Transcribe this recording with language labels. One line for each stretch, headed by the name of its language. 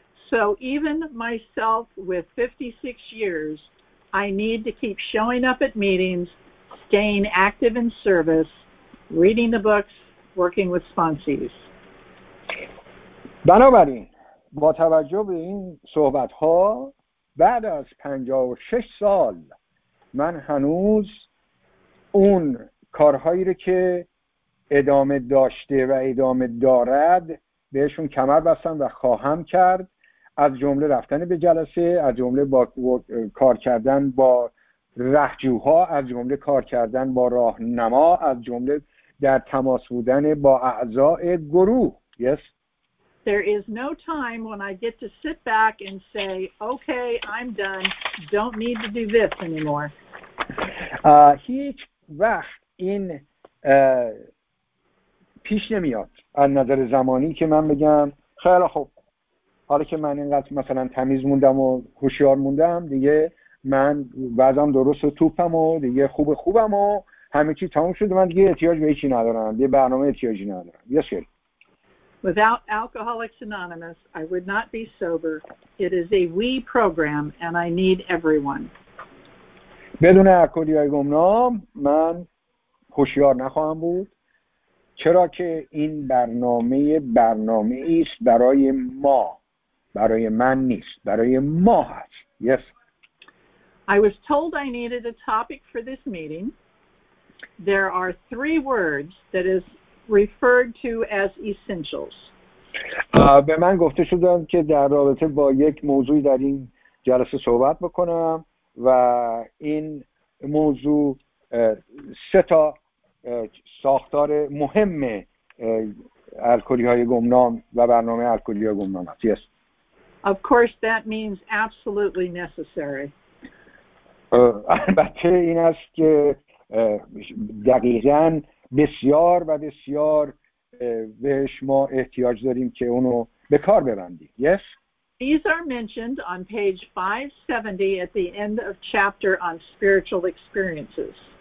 English: So even myself with 56 years I need to keep showing up at meetings, staying active in service, reading the books, working with sponsees.
Persian: بنابراین با توجه به این صحبت ها بعد از 56 سال من هنوز اون کارهایی رو که ادامه داشته و ادامه دارد بهشون کمر بستم و خواهم کرد از جمله رفتن به جلسه از جمله با کار کردن با رهجوها از جمله کار کردن با راهنما از جمله در تماس بودن با اعضای گروه.
English: Yes. There is no time when I get to sit back and say, okay, I'm done. Don't need to do this anymore.
Persian: هیچ وقت این پیش نمیاد از نظر زمانی که من بگم خیلی خوب حالا که من اینقدر مثلا تمیز موندم و هوشیار موندم دیگه من بعضم درست توپم و دیگه خوب خوبم و همه چی تموم شد من دیگه احتیاج به هیچی ندارم دیگه برنامه احتیاجی ندارم.
English: Yes, sir. Without Alcoholics Anonymous, I would not be sober. It is a we program and I need everyone.
Persian: بدون الکلی‌های گمنام من هوشیار نخواهم بود چرا که این برنامه ایست برای ما برای من نیست برای ما هست.
English: Yes. I was told I needed a topic for this meeting. There are three words that is referred to as essentials.
Persian: به من گفته شدند که در رابطه با یک موضوعی در این جلسه صحبت بکنم و این موضوع سه تا ساختار مهم الکلی‌های گمنام و برنامه الکلی‌های گمنام است.
English: Yes. Of course that means absolutely necessary.
Persian: البته این است که دقیقاً بسیار و بسیار بهش ما احتیاج داریم که اونو به کار ببندیم.
English: Yes. These are mentioned on page 570 at the end of chapter on spiritual experiences.